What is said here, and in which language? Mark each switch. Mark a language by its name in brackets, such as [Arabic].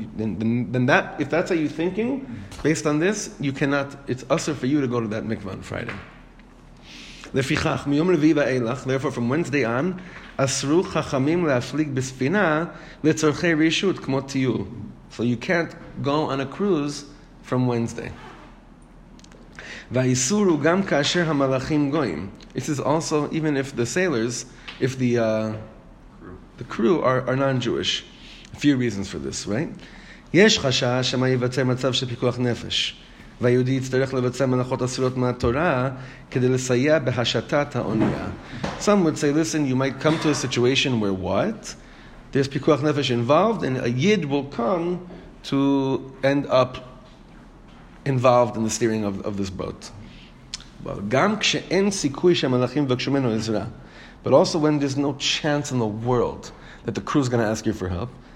[English] Then that, if that's how you're thinking, based on this, you cannot, it's usher for you to go to that mikvah on Friday. [Hebrew] Lefichach, miyom revi va'eilach, [English] therefore from Wednesday on, [Hebrew] asru chachamim la'aflik b'sfina le'tzorchei rishut k'mo tiyu. [English] So you can't go on a cruise from Wednesday. [Hebrew] והאיסור הוא גם כאשר המלאכים גויים. [English] This is also, even if the sailors, if the crew are non-Jewish. A few reasons for this, right? [Hebrew] יש חשש שמה ייווצר מצב של פיקוח נפש, והיהודי יצטרך לבצע מלאכות אסורות מהתורה כדי לסייע בהשתת האונייה. [English] Some would say, listen, you might come to a situation where what? there's pikuach nefesh involved, and a yid will come to end up involved in the steering of this boat. Well, [Hebrew] gam k'she'en sikui she'malachim v'kshu menu ezra. [English] But also when there's no chance in the world that the crew is going to ask you for help.